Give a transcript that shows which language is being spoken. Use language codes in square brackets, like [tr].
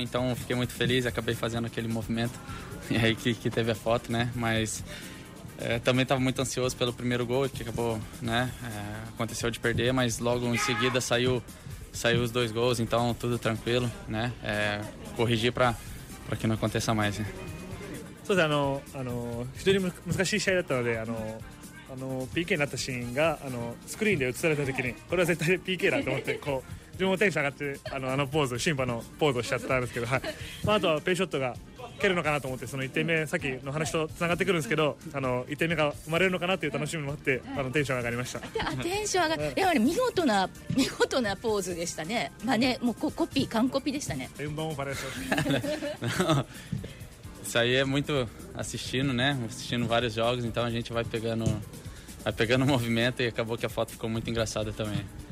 [pt] Então fiquei muito feliz e acabei fazendo aquele movimento e aí que teve a foto, né? Mas também estava muito ansioso pelo primeiro gol que acabou, né? Aconteceu de perder, mas logo em seguida saiu saiu os dois gols, então tudo tranquilo, né? É, corrigir para que não aconteça mais. [ja] そうですね、非常に難しい試合だったので、PK になったシーンがスクリーンで映された時に、これは絶対 PK だと思ってこう自分もテンション上がって、ポーズ、審判のポーズをしちゃったんですけど、はい、まあ、あとはペイショットが蹴るのかなと思って、その1点目、さっきの話とつながってくるんですけど、1点目が生まれるのかなという楽しみもあって、テンション上がりました。テンション上がる、やはり見事なポーズでしたね。まあね、もうコピー、完コピーでしたね。順番をバレそう。 [pt] Isso aí é muito assistindo, né? Assistindo vários jogos, então a gente vai pegando movimento e acabou que a foto ficou muito engraçada também.